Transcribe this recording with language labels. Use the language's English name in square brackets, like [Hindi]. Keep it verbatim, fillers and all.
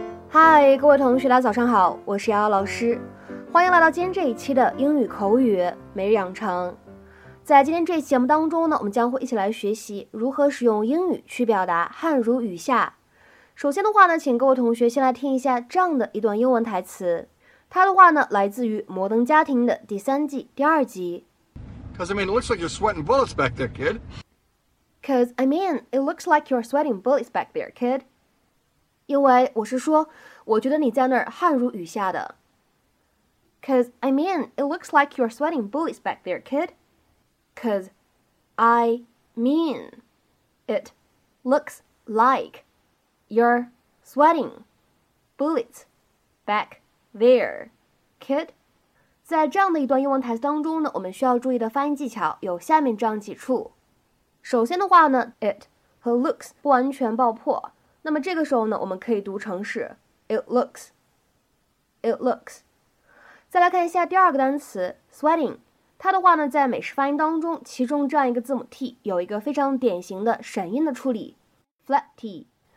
[Chinese] 嗨，各位同学，大家早上好，我是瑶瑶老师，欢迎来到今天这一期的英语口语每日养成。在今天这期节目当中呢，我们将会一起来学习如何使用英语去表达汉语语下。首先的话呢，请各位同学先来听一下这样的一段英文台词，它的话呢来自于《摩登家庭》的第三季第二集。 [English] Because I mean, it looks like you're sweating bullets back there, kid. Because I mean, it looks like you're sweating bullets back there, kid. [Chinese] 因为我是说，我觉得你在那儿汗如雨下的。 [English] Because I mean, it looks like you're sweating bullets back there, kid. Because I mean, it looks like you're sweating bullets back there, kid. [Chinese] 在这样的一段英文台词当中呢，我们需要注意的发音技巧有下面这样几处。首先的话呢 ，it 和 looks 不完全爆破，那么这个时候呢，我们可以读成是 [English] it looks, it looks. [Chinese] 再来看一下第二个单词 sweating。它的话呢，在美式发音当中，其中这样一个字母 t 有一个非常典型的闪音的处理 ，flat t。